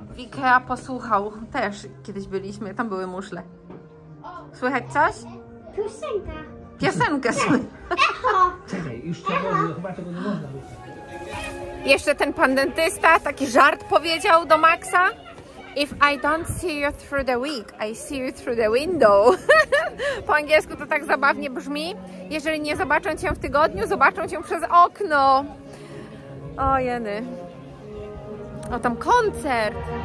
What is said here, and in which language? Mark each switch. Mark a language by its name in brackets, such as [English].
[Polish] W IKEA posłuchał też, kiedyś byliśmy, tam były muszle. Słychać coś? Piosenkę. Piosenkę słychać. Echo! Czekaj, już trzeba, chyba tego nie można było. Jeszcze ten pan dentysta taki żart powiedział do Maxa. [English] If I don't see you through the week, I see you through the window. [Polish] Po angielsku to tak zabawnie brzmi. Jeżeli nie zobaczą cię w tygodniu, zobaczą cię przez okno. O, jeny. O, tam koncert.